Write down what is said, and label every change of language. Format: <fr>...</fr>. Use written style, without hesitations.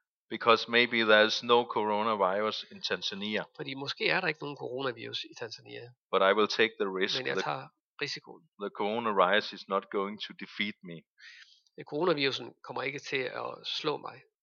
<en>Because maybe there's no coronavirus in Tanzania.</en> <da>Fordi måske er der ikke nogen coronavirus i Tanzania.</da> <en>But I will take the risk.</en> <da>Men jeg tager risikoen.</da> <en>The coronavirus is not going to defeat me.</en> <da>Coronavirusen kommer ikke til at slå mig.</da>